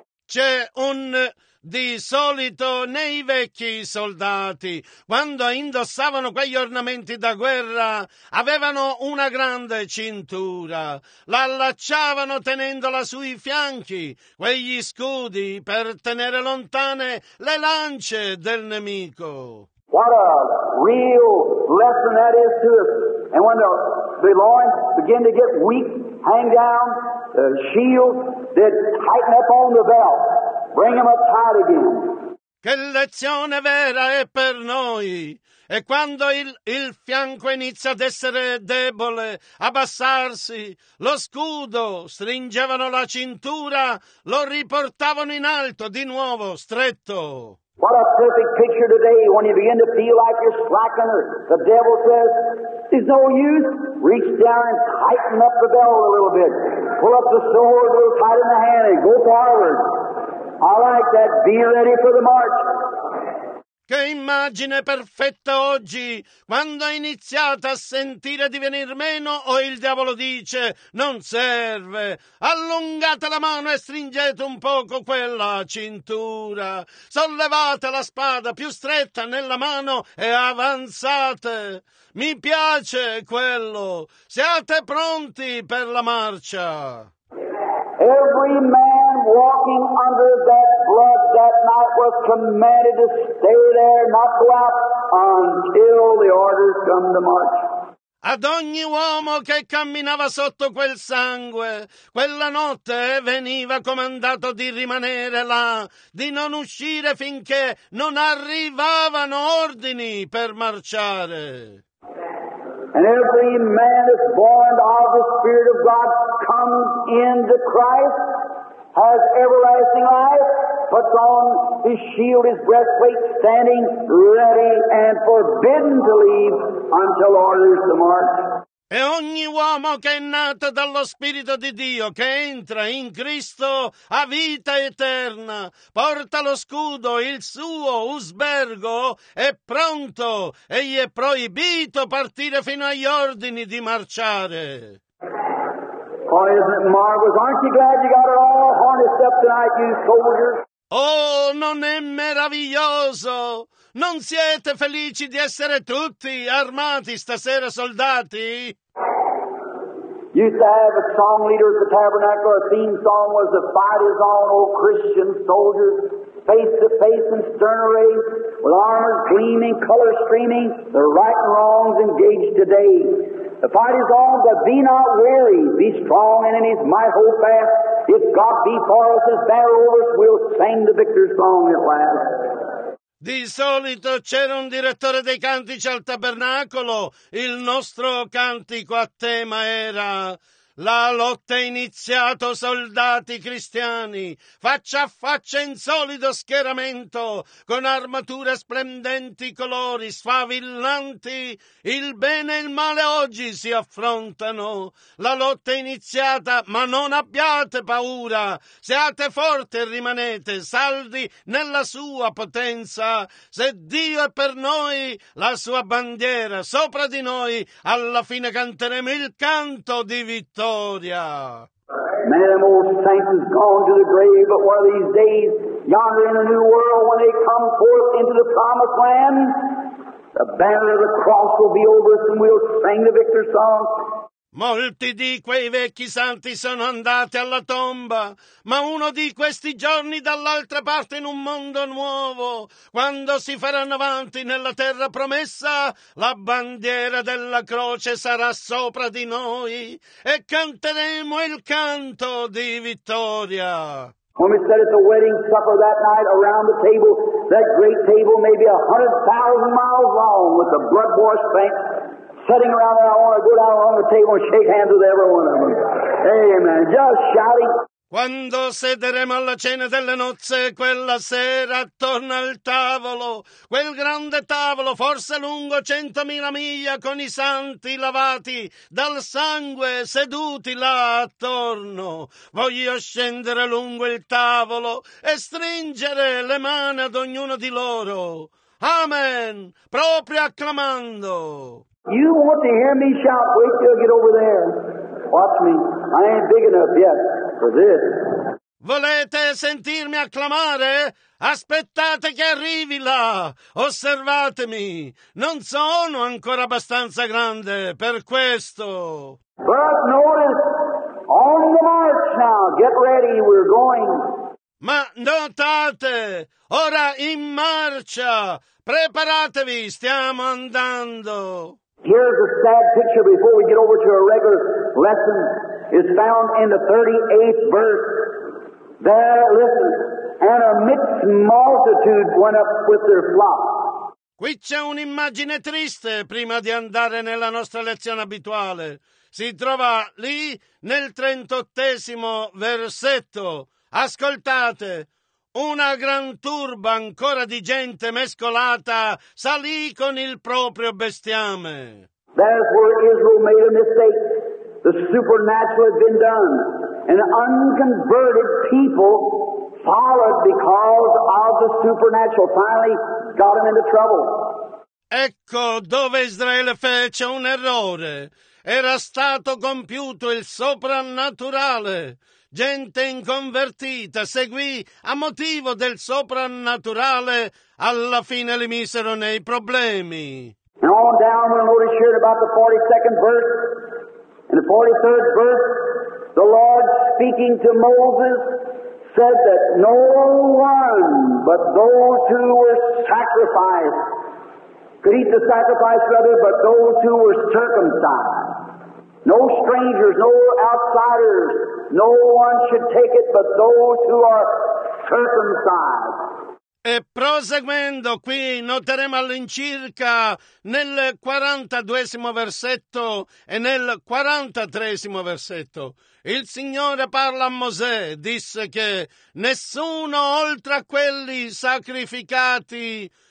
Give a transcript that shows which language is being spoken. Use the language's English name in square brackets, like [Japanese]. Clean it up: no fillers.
[Italian] C'è un di solito nei vecchi soldati, quando indossavano quegli ornamenti da guerra, avevano una grande cintura, la allacciavano tenendola sui fianchi, quegli scudi per tenere lontane le lance del nemico. [English] What a real lesson that is to us. And when the loins begin to get weak, hang down, the shield, then tighten up on the belt. Bring them up tight again. [Italian] Che lezione vera è per noi. E quando il fianco inizia ad essere debole, abbassarsi, lo scudo, stringevano la cintura, lo riportavano in alto, di nuovo, stretto. [English] What a perfect picture today when you begin to feel like you're slacking, or the devil says, it's no use, reach down and tighten up the belt a little bit. Pull up the sword a little tight in the hand and go forward. I like that. Be ready for the march. [Italian] Che immagine perfetta oggi, quando hai iniziato a sentire di venir meno, o il diavolo dice, non serve, allungate la mano e stringete un poco quella cintura, sollevate la spada più stretta nella mano e avanzate, mi piace quello, siate pronti per la marcia. [English] Every man walking under that blood that night was commanded to stay there, not go out until the orders come to march. [Italian] Ad ogni uomo che camminava sotto quel sangue, quella notte veniva comandato di rimanere là, di non uscire finché non arrivavano ordini per marciare. [English] And every man that's born of the Spirit of God comes into Christ, has everlasting life, puts on his shield, his breastplate, standing ready and forbidden to leave until orders to march. [Italian] E ogni uomo che è nato dallo Spirito di Dio, che entra in Cristo, ha vita eterna, porta lo scudo, il suo usbergo, è pronto e gli è proibito partire fino agli ordini di marciare. [English] Oh, isn't it marvelous? Aren't you glad you got it all harnessed up tonight, you soldiers? [Italian] Oh, non è meraviglioso! Non siete felici di essere tutti armati stasera, soldati? [English] You used to have a song leader at the tabernacle. A theme song was "The fight is on, O Christian soldiers, face to face and stern array, with armor gleaming, color streaming, the right and wrongs engaged today. The fight is on, but be not weary, be strong and in his might hold fast. If God be for us as battle over us, we'll sing the victor's song at last." [Italian] Di solito c'era un direttore dei cantici al tabernacolo. Il nostro cantico a tema era: la lotta è iniziato, soldati cristiani, faccia a faccia in solido schieramento, con armature splendenti, colori sfavillanti, il bene e il male oggi si affrontano. La lotta è iniziata, ma non abbiate paura, siate forti e rimanete saldi nella sua potenza. Se Dio è per noi, la sua bandiera sopra di noi, alla fine canteremo il canto di vittoria. [English] Man, them old saints has gone to the grave, but one of these days, yonder in the new world, when they come forth into the promised land, the banner of the cross will be over us and we'll sing the victor song. [Italian] Molti di quei vecchi santi sono andati alla tomba, ma uno di questi giorni dall'altra parte in un mondo nuovo, quando si faranno avanti nella terra promessa, la bandiera della croce sarà sopra di noi e canteremo il canto di vittoria. [English] When we sat at the wedding supper that night around the table, that great table may be 100,000 miles long with the blood-washed banks. Sitting around there, I want to go down on the table and shake hands with every one of them. Amen. Just shouting. [Italian] Quando sederemo alla cena delle nozze quella sera attorno al tavolo, quel grande tavolo, forse lungo 100,000 miglia, con i santi lavati dal sangue seduti là attorno, voglio scendere lungo il tavolo e stringere le mani ad ognuno di loro. Amen. Proprio acclamando. [English] You want to hear me shout? Wait till you get over there. Watch me. I ain't big enough yet for this. [Italian] Volete sentirmi acclamare? Aspettate che arrivi là. Osservatemi. Non sono ancora abbastanza grande per questo. [English] But notice, on the march now. Get ready. We're going. [Italian] Ma notate, ora in marcia. Preparatevi. Stiamo andando. [English] Here's a sad picture before we get over to a regular lesson. It's found in the 38th verse. There, listen, and a mixed multitude went up with their flock. [Italian] Qui c'è un'immagine triste prima di andare nella nostra lezione abituale. Si trova lì nel 38esimo versetto. Ascoltate. Una gran turba ancora di gente mescolata salì con il proprio bestiame. [English] That's where Israel made a mistake. The supernatural had been done. An unconverted people followed because of the supernatural. Finally got them into trouble. [Italian] Ecco dove Israele fece un errore. Era stato compiuto il soprannaturale. Gente inconvertita seguì a motivo del soprannaturale, alla fine li misero nei problemi. [English] And on down we'll notice here about the 42nd verse. In the 43rd verse, the Lord speaking to Moses said that no one but those who were sacrificed could eat the sacrifice, rather, but those who were circumcised. No strangers, no outsiders, no one should take it but those who are circumcised. [Italian] E proseguendo qui noteremo all'incirca nel 42esimo versetto e nel 43esimo versetto. Il Signore parla a Mosè, disse che nessuno oltre a quelli sacrificati